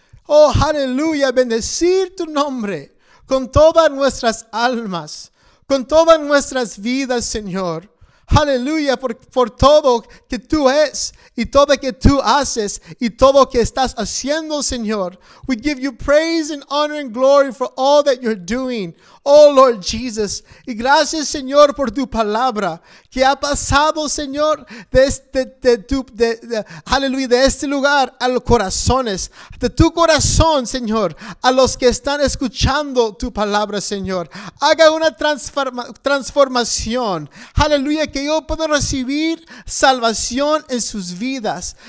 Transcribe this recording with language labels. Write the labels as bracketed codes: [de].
[es] Oh, aleluya, bendecir tu nombre con todas nuestras almas, con todas nuestras vidas, Señor. Aleluya, por todo que tú eres y todo que tú haces y todo que estás haciendo, Señor. [en] We give you praise and honor and glory for all that you're doing. Oh, Lord Jesus. [es] Y gracias, Señor, por tu palabra que ha pasado, Señor, de este lugar a los corazones, de tu corazón, Señor, a los que están escuchando tu palabra, Señor. Haga una transformación. Aleluya, que yo pueda recibir salvación en sus vidas.